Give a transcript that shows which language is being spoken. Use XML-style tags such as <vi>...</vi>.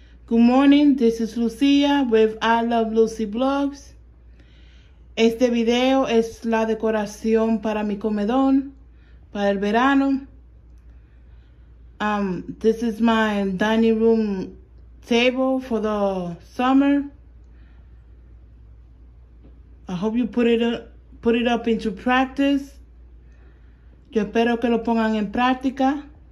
<en>Good morning, this is Lucía with I Love Lucy Blogs.</en> <es>Este video es la decoración para mi comedor, para el verano.</es> <en>This is my dining room table for the summer. I hope you put it up into practice.</en> <es>Yo espero que lo pongan en práctica.</es>